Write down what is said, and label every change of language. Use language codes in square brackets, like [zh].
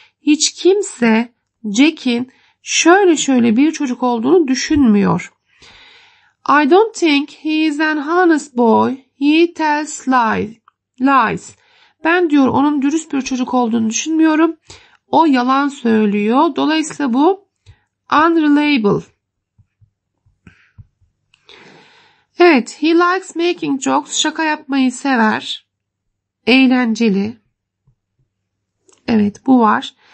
[tr] Hiç kimse Jack'in şöyle şöyle bir çocuk olduğunu düşünmüyor. [en] I don't think he is an honest boy. He tells lies. [tr] Ben diyor onun dürüst bir çocuk olduğunu düşünmüyorum. O yalan söylüyor. Dolayısıyla bu unreliable. Evet, [en] he likes making jokes. [tr] Şaka yapmayı sever. Eğlenceli. Evet, bu var.